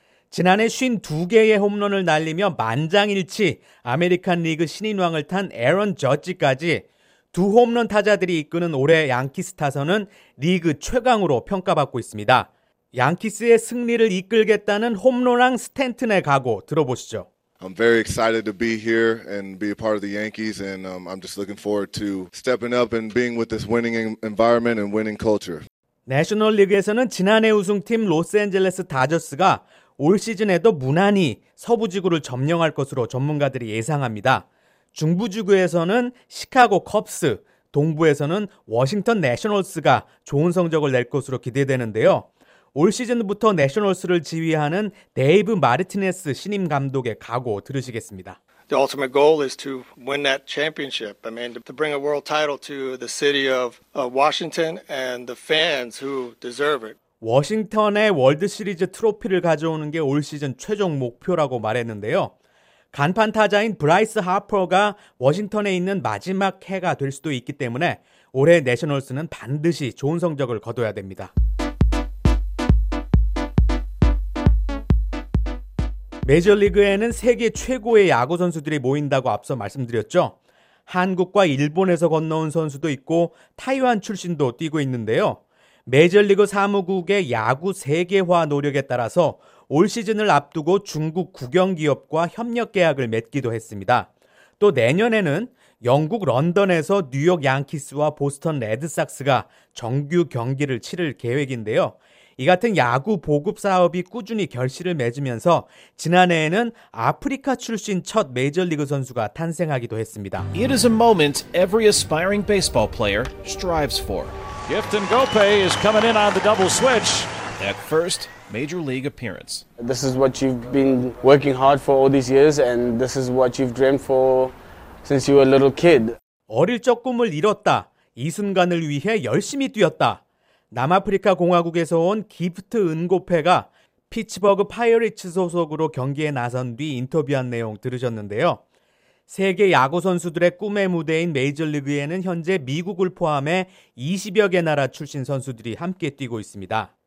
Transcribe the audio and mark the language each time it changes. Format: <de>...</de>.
<ko>지난해 52개의 홈런을 날리며 만장일치 아메리칸 리그 신인왕을 탄 에런 저지까지 두 홈런 타자들이 이끄는 올해 양키스 타선은 리그 최강으로 평가받고 있습니다. 양키스의 승리를 이끌겠다는 홈런왕 스탠튼의 각오 들어보시죠.</ko> <en>I'm very excited to be here and be a part of the Yankees and I'm just looking forward to stepping up and being with this winning environment and winning culture.</en> <ko>내셔널 리그에서는 지난해 우승팀 로스앤젤레스 다저스가 올 시즌에도 무난히 서부지구를 점령할 것으로 전문가들이 예상합니다. 중부지구에서는 시카고 컵스, 동부에서는 워싱턴 내셔널스가 좋은 성적을 낼 것으로 기대되는데요. 올 시즌부터 내셔널스를 지휘하는 데이브 마르티네스 신임 감독의 각오 들으시겠습니다.</ko> <en>The ultimate goal is to win that championship. I mean, to bring a world title to the city of Washington and the fans who deserve it.</en> <ko>워싱턴의 월드 시리즈 트로피를 가져오는 게 올 시즌 최종 목표라고 말했는데요. 간판 타자인 브라이스 하퍼가 워싱턴에 있는 마지막 해가 될 수도 있기 때문에 올해 내셔널스는 반드시 좋은 성적을 거둬야 됩니다. 메이저리그에는 세계 최고의 야구 선수들이 모인다고 앞서 말씀드렸죠. 한국과 일본에서 건너온 선수도 있고 타이완 출신도 뛰고 있는데요. 메이저리그 사무국의 야구 세계화 노력에 따라서 올 시즌을 앞두고 중국 국영기업과 협력 계약을 맺기도 했습니다. 또 내년에는 영국 런던에서 뉴욕 양키스와 보스턴 레드삭스가 정규 경기를 치를 계획인데요. 이 같은 야구 보급 사업이 꾸준히 결실을 맺으면서 지난해에는 아프리카 출신 첫 메이저리그 선수가 탄생하기도 했습니다.</ko> <en>It is a moment every aspiring baseball player strives for. Gifton Gopay is coming in on the double switch. That first major league appearance. This is what you've been working hard for all these years, and this is what you've dreamed for since you were a little kid.</en> <ko>어릴 적 꿈을 이뤘다. 이 순간을 위해 열심히 뛰었다. 남아프리카 공화국에서 온 기프트 은고페가 피츠버그 파이어리츠 소속으로 경기에 나선 뒤 인터뷰한 내용 들으셨는데요. 세계 야구 선수들의 꿈의 무대인 메이저리그에는 현재 미국을 포함해 20여 개 나라 출신 선수들이 함께 뛰고 있습니다.</ko>